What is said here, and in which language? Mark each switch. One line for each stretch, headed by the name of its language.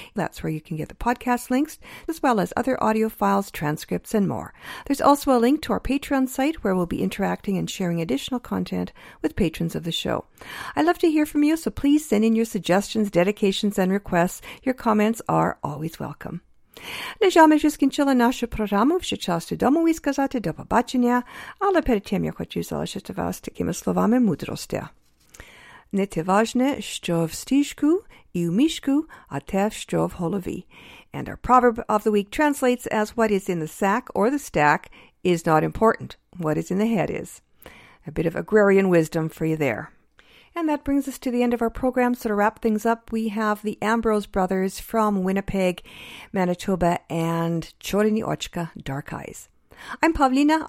English: That's where you can get the podcast links, as well as other audio files, transcripts, and more. There's also a link to our Patreon site, where we'll be interacting and sharing additional content with patrons of the show. I'd love to hear from you, so please send in your suggestions, dedications, and requests. Your comments are always welcome.
Ukrainian: На жаль, ми вже скінчили нашу програму. Вже час додому і сказати до побачення. Але перед тим, я хочу залишити вас такими словами мудрості. Не те важне, що в стіжку і в мішку, а те, що в голові.
English: And our proverb of the week translates as what is in the sack or the stack is not important. What is in the head is. A bit of agrarian wisdom for you there. And that brings us to the end of our program. So to wrap things up, we have the Ambrose brothers from Winnipeg, Manitoba, and Chorini Ochka, Dark Eyes. I'm Pavlina.